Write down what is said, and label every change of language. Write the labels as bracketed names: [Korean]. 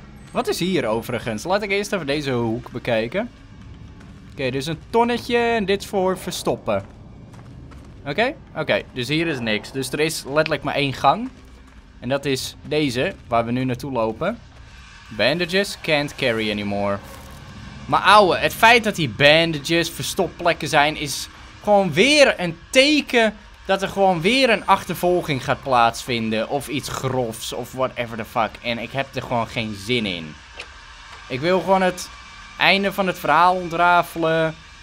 [Dutch] Wat is hier overigens? Laat ik eerst even deze hoek bekijken. Oké, dus een tonnetje en dit voor verstoppen. Oké? Oké, dus hier is niks. Dus er is letterlijk maar één gang. En dat is deze, waar we nu naartoe lopen. [English] Bandages can't carry anymore. [Dutch] Maar ouwe, het feit dat die bandages verstopplekken zijn, is gewoon weer een teken dat er gewoon weer een achtervolging gaat plaatsvinden. Of iets grofs, of [English] whatever the fuck. [Dutch] En ik heb er gewoon geen zin in. Ik wil gewoon het einde van het verhaal ontrafelen.